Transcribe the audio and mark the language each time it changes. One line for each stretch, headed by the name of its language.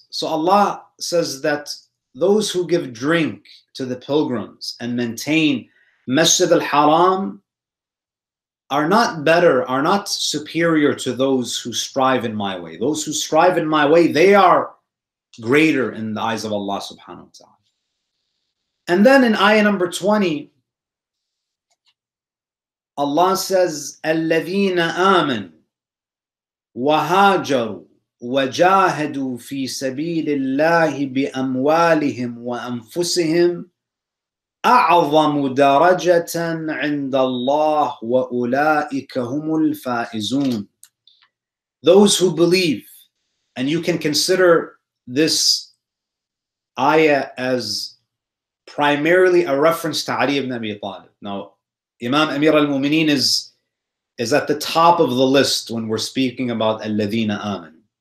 English: So Allah says that those who give drink to the pilgrims and maintain Masjid al-Haram are not better, are not superior to those who strive in my way. Those who strive in my way, they are greater in the eyes of Allah subhanahu wa ta'ala. And then in ayah number 20, Allah says,
Arabic: الَّذِينَ آمَنُوا وَهَاجَرُوا وَجَاهَدُوا فِي سَبِيلِ اللَّهِ بِأَمْوَالِهِمْ وَأَنفُسِهِمْ أَعْظَمُ دَرَجَةً عِنْدَ اللَّهِ وَأُولَٰئِكَ هُمُ الْفَائِزُونَ.
English: Those who believe, and you can consider this ayah as primarily a reference to Ali ibn Abi Talib. Now, Imam Amir al-Mu'mineen is at the top of the list when we're speaking about
Arabic: الَّذِينَ آمَنُوا.